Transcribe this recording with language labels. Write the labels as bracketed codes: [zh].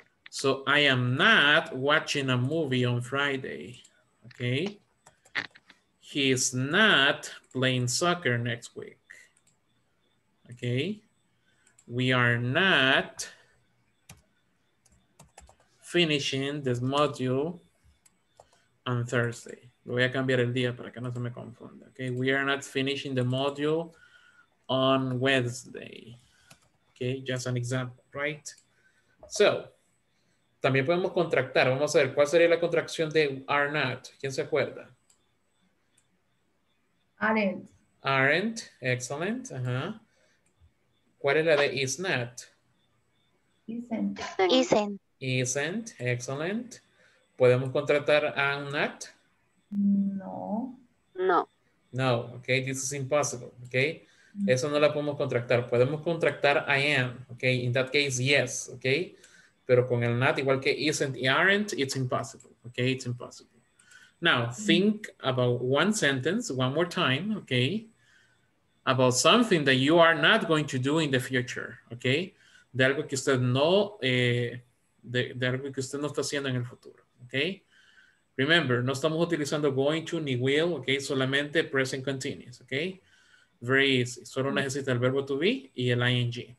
[en] So I am not watching a movie on Friday. Ok. He is not playing soccer next week. Ok. We are not finishing this module on Thursday. [es] Lo voy a cambiar el día para que no se me confunda. Ok. [en] We are not finishing the module on Wednesday. Okay, just an example, right? So, [es] también podemos contractar. Vamos a ver, ¿cuál sería la contracción de are not? ¿Quién se acuerda? [en] Aren't. Aren't, excellent. [es] Uh-huh. ¿Cuál es la de is not? [en] Isn't. Isn't. Isn't, excellent. [es] ¿Podemos contractar [en] am not? No. No. No, okay, this is impossible, okay? [es] Eso no la podemos contractar. Podemos contractar [en] I am, ok. In that case, yes, ok. [es] Pero con el [en] not, igual que isn't y aren't, it's impossible, ok. It's impossible. Now, think about one sentence one more time, ok. About something that you are not going to do in the future, ok. [es] De algo que usted no, de algo que usted no está haciendo en el futuro, ok. Remember, no estamos utilizando going to ni will, ok. Solamente present continuous, ok. [en] Very easy. [es] Solo necesita el verbo to be y el ing.